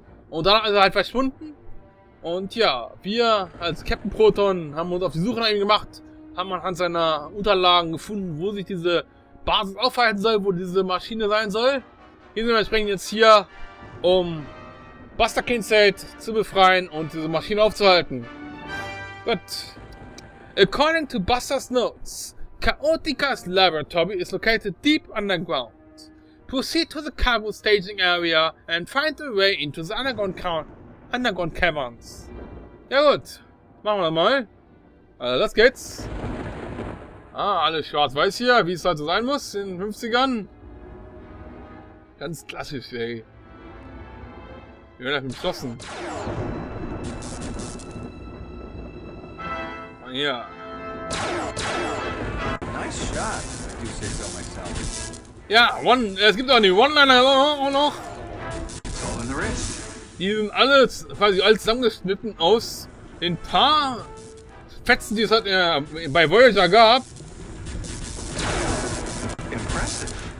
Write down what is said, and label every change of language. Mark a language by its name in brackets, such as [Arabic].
[German] Und danach ist er halt verschwunden. Und ja, wir als Captain Proton haben uns auf die Suche nach ihm gemacht, haben anhand seiner Unterlagen gefunden, wo sich diese Basis aufhalten soll, wo diese Maschine sein soll. Hier sind wir entsprechend jetzt hier, um Buster Keaton zu befreien und diese Maschine aufzuhalten. Gut. [English] According to Buster's notes, Chaotica's laboratory is located deep underground. Proceed to the cargo staging area and find a way into the underground caverns. [German] Ja gut, machen wir mal. Also, los geht's. Ah, alles schwarz-weiß hier, wie es halt so sein muss in den 50ern. Ganz klassisch, ey. Wir werden einfach beschlossen. Ja. [English] Nice shot, you say so myself. [German] Ja, es gibt auch die One-Liner auch noch. Die sind alle quasi alles zusammengeschnitten aus den paar Fetzen, die es halt bei Voyager gab. [English] Impressive.